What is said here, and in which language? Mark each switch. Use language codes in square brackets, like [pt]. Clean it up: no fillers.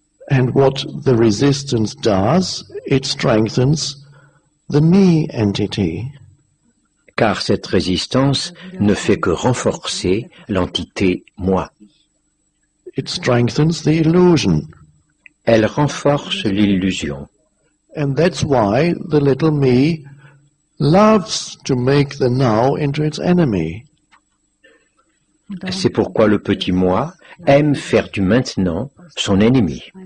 [en] And what the resistance does, it strengthens the me entity. [fr] Car cette résistance ne fait que renforcer l'entité moi. [en] It strengthens the illusion. [fr] Elle renforce l'illusion. [en] And that's why the little me loves to make the now into its enemy. [fr] C'est pourquoi le petit moi aime faire du maintenant son ennemi.